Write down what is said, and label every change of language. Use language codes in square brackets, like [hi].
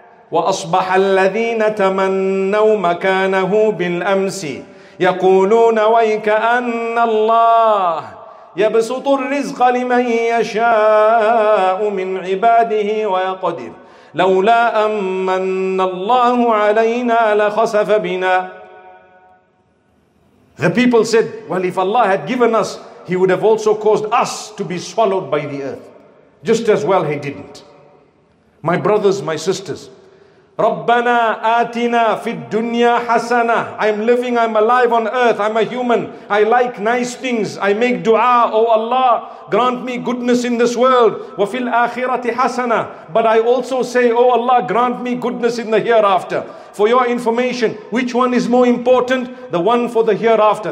[ar] وَأَصْبَحَ الَّذِينَ تَمَنَّوا مَكَانَهُ بِالْأَمْسِ يَقُولُونَ وَيْكَأَنَّ اللَّهِ يَبْسُطُ الرِّزْقَ لِمَنْ يَشَاءُ مِنْ عِبَادِهِ وَيَقْدِرُ لَوْلَا أَمَّنَّ اللَّهُ عَلَيْنَا لَخَسَفَ بِنَا. [en] The people said, well, if Allah had given us, he would have also caused us to be swallowed by the earth. Just as well he didn't. My brothers, my sisters, رَبَّنَا آتِنَا فِي الدُّنْيَا حَسَنَةً. I'm living, I'm alive on earth, I'm a human, I like nice things, I make dua, oh Allah, grant me goodness in this world. [ar] وَفِي الْآخِرَةِ حَسَنَةً. [en] But I also say, oh Allah, grant me goodness in the hereafter. For your information, which one is more important? The one for the hereafter.